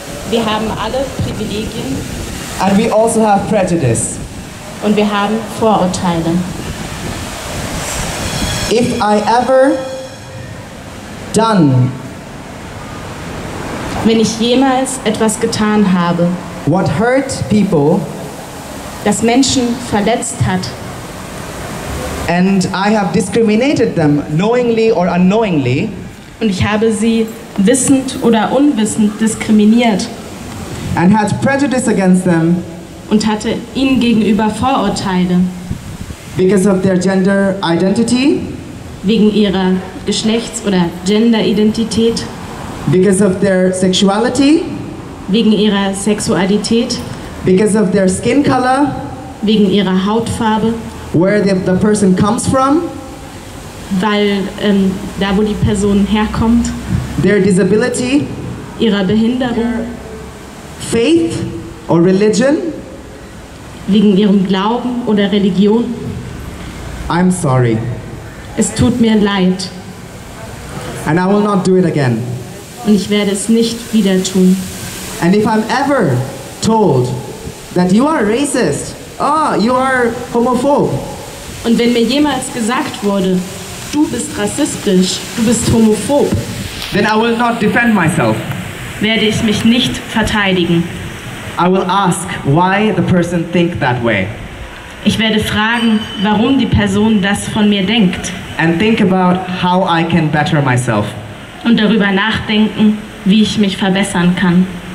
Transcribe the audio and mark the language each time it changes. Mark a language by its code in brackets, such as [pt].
[de] Wir haben alle Privilegien. [en] And we also have prejudice. [de] Und wir haben Vorurteile. [en] If I ever done, [de] wenn ich jemals etwas getan habe, [en] what hurt people, [de] das Menschen verletzt hat, [en] and I have discriminated them knowingly or unknowingly. [de] Und ich habe sie wissend oder unwissend diskriminiert. [en] And had prejudice against them. [de] Und hatte ihnen gegenüber Vorurteile. [en] Because of their gender identity. [de] Wegen ihrer Geschlechts- oder Genderidentität. [en] Because of their sexuality. [de] Wegen ihrer Sexualität. [en] Because of their skin color. [de] Wegen ihrer Hautfarbe. [en] Where the person comes from, [de] weil da wo die Person herkommt, [en] their disability, [de] ihrer Behinderung, [en] faith or religion, [de] wegen ihrem Glauben oder Religion. [en] I'm sorry. [de] Es tut mir leid. [en] And I will not do it again. [de] Und ich werde es nicht wieder tun. [en] And if I'm ever told that you are racist, oh, you are homophobe. [de] Und wenn mir jemals gesagt wurde, du bist rassistisch, du bist homophob, [en] then I will not defend myself. [de] Werde ich mich nicht verteidigen. [en] I will ask why the person think that way. [de] Ich werde fragen, warum die Person das von mir denkt. [en] And think about how I can better myself. [de] Und darüber nachdenken, wie ich mich verbessern kann.